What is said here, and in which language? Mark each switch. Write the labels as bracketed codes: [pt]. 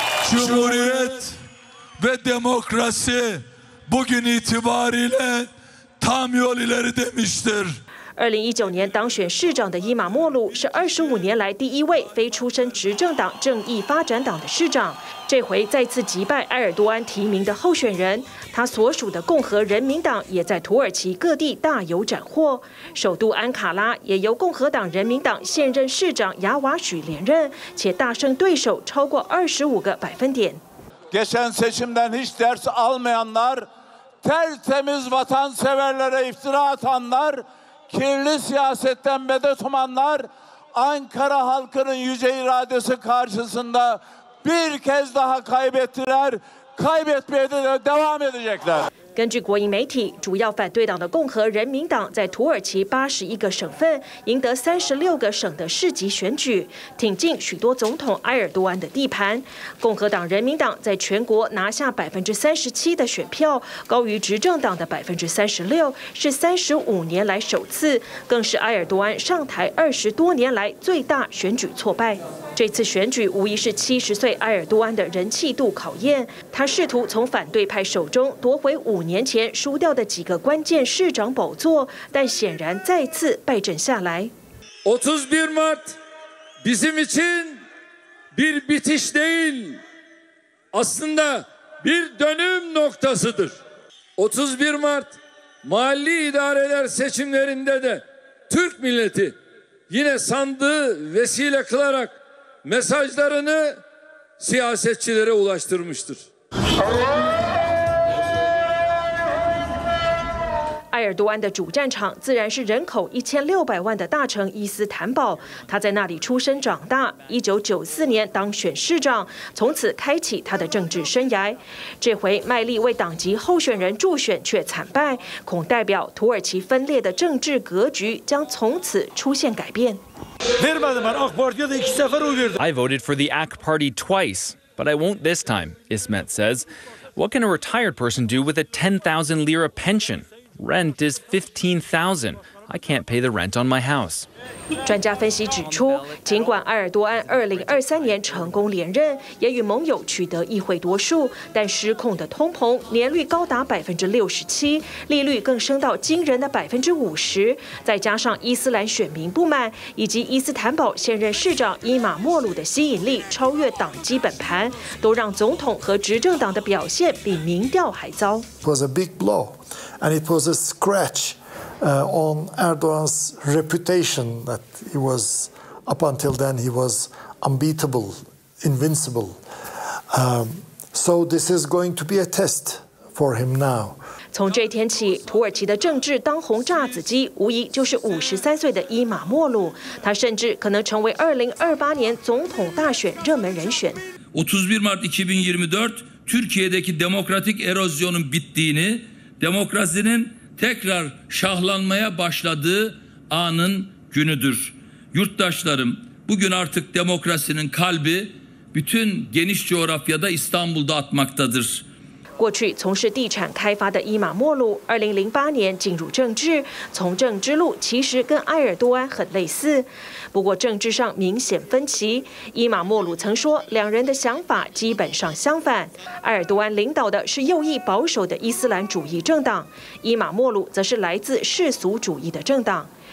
[tr] Cumhuriyet ve demokrasi bugün itibariyle tam yol ileri demiştir. [zh] 2019年当选市长的伊马莫鲁是25年来第一位非出身执政党正义发展党的市长，这回再次击败埃尔多安提名的候选人，他所属的共和人民党也在土耳其各地大有斩获，首都安卡拉也由共和党人民党现任市长雅瓦许连任，且大胜对手超过25%。 [tr] Geçen seçimden hiç ders almayanlar, tertemiz vatanseverlere iftira atanlar, kirli siyasetten medet umanlar, Ankara halkının yüce iradesi karşısında bir kez daha kaybettiler, kaybetmeye de devam edecekler. [zh] 根据国营媒体，主要反对党的共和人民党在土耳其81个省份赢得36个省的市级选举，挺进许多总统埃尔多安的地盘。共和党人民党在全国拿下37%的选票，高于执政党的36%，是35年来首次，更是埃尔多安上台20多年来最大选举挫败。这次选举无疑是70岁埃尔多安的人气度考验，他试图从反对派手中夺回5年前输掉的几个关键市长宝座，但显然再次败阵下来。 [tr] 31 Mart bizim için bir bitiş değil, aslında bir dönüm noktasıdır. 31 Mart mahalli idareler seçimlerinde de Türk milleti yine sandığı vesile kılarak mesajlarını siyasetçilere ulaştırmıştır. [zh] 埃尔多安的主战场自然是人口1600万的大城伊斯坦堡，他在那里出生长大，1994年当选市长，从此开启他的政治生涯。这回卖力为党籍候选人助选却惨败，恐代表土耳其分裂的政治格局将从此出现改变。 [en] I voted for the AK Party twice, but I won't this time, Ismet says. What can a retired person do with a 10,000 lira pension? Rent is 15,000. I can't pay the rent on my house. [zh] 专家分析指出，尽管埃尔多安2023年成功连任，也与盟友取得议会多数，但失控的通膨年率高达67%，利率更升到惊人的50%。再加上伊斯兰选民不满，以及伊斯坦堡现任市长伊马莫鲁的吸引力超越党基本盘，都让总统和执政党的表现比民调还糟。 [en] It was a big blow. And it was a scratch on Erdogan's reputation that he was, up until then, he was unbeatable, invincible. So this is going to be a test for him now. [zh] 从这天起，土耳其的政治当红炸子鸡无疑就是53岁的伊马莫鲁，他甚至可能成为2028年总统大选热门人选。 [tr] 31 Mart 2024, Türkiye'deki demokratik erozyonun bittiğini. Demokrasinin tekrar şahlanmaya başladığı anın günüdür. Yurttaşlarım, bugün artık demokrasinin kalbi bütün geniş coğrafyada İstanbul'da atmaktadır. [zh] 过去从事地产开发的伊马莫鲁2008年进入政治，从政之路其实跟埃尔多安很类似，不过政治上明显分歧。伊马莫鲁曾说两人的想法基本上相反，埃尔多安领导的是右翼保守的伊斯兰主义政党，伊马莫鲁则是来自世俗主义的政党。